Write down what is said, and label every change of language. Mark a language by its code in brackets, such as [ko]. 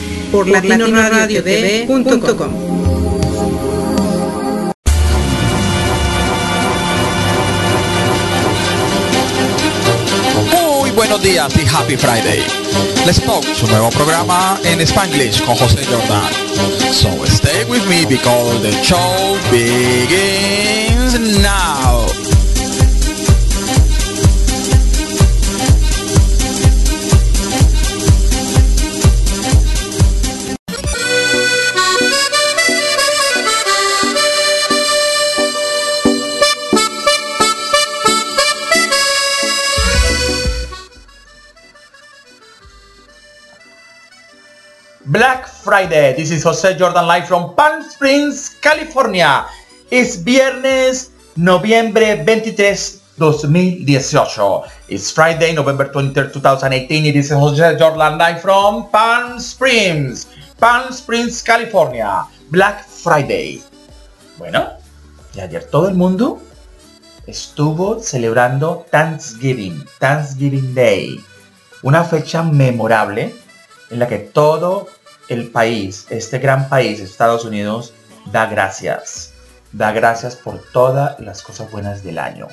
[es] Por latinoradiotv.com. Buenos días y Happy Friday. Let's Talk, su nuevo programa en Spanglish con José Jordán. [en] So stay with me because the show begins now. Black Friday, this is José Jordán live from Palm Springs, California. It's [es] viernes, noviembre [en] 23, 2018. It's Friday, November 23, 2018. It is José Jordán live from Palm Springs, California. Black Friday. [es] Bueno, y ayer todo el mundo estuvo celebrando Thanksgiving Day. Una fecha memorable en la que todo el país, este gran país, Estados Unidos, da gracias por todas las cosas buenas del año.